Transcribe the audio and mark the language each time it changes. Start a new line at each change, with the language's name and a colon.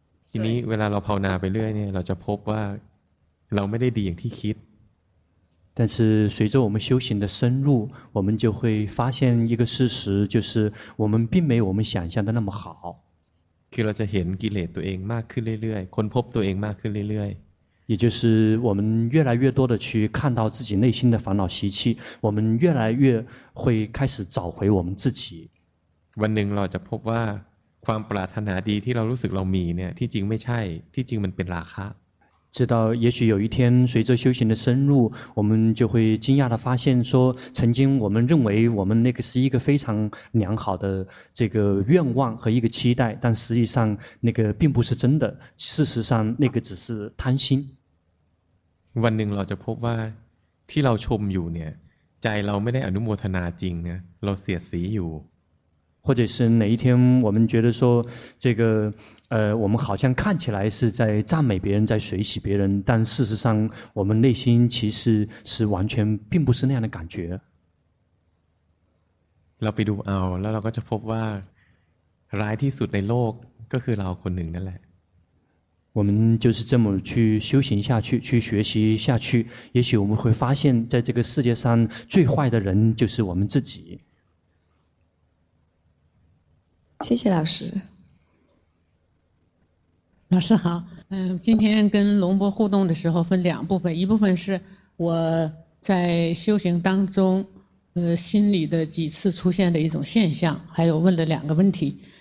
Thai: ทีนี้เวลาเราภาวนาไปเรื่อยเนี่ยเราจะพบว่าเราไม่ได้ดีอย่างที่คิด
Chinese: 但是随着我们修行的深入我们就会发现一个事实就是我们并没有我们想象的那么好
Thai: คือเราจะเห็นกิเลสตัวเองมากขึ้นเรื่อยๆคนพบตัวเองมากขึ้นเรื่อยๆ
Chinese: 也就是我们越来越多的去看到自己内心的烦恼习气我们越来越会开始找回我们自己
Thai: วันหนึ่งเราจะพบว่าความปรารถนาดีที่เรารู้สึกเรามีเนี่ยที่จริงไม่ใช่ที่จริงมันเป็นราคะ
Chinese: 直到也许有一天随着修行的深入我们就会惊讶地发现说曾经我们认为我们那个是一个非常良好的这个愿望和一个期待但实际上那个并不是真的事实上那个只是贪心
Thai: วันหนึ่งเราจะพบว่าที่เราชมอยู่เนี่ยใจเราไม่ได้อนุโมทนาจริงนะเราเสียสีอยู่
Chinese: 或者是哪一天我们觉得说这个我们好像看起来是在赞美别人在随喜别人但事实上我们内心其实是完全并不是那样的感觉
Thai: เราไปดูเอาแล้วเราก็จะพบว่าร้ายที่สุดในโลกก็คือเราคนหนึ่งนั่นแหละ
Chinese: 我们就是这么去修行下去去学习下去也许我们会发现在这个世界上最坏的人就是我们自己谢谢老师。老师好，今天跟龙波互动的时候分两部分，一部分是我在修行当中，心里的几次出现的一种现象，还有问了两个问题。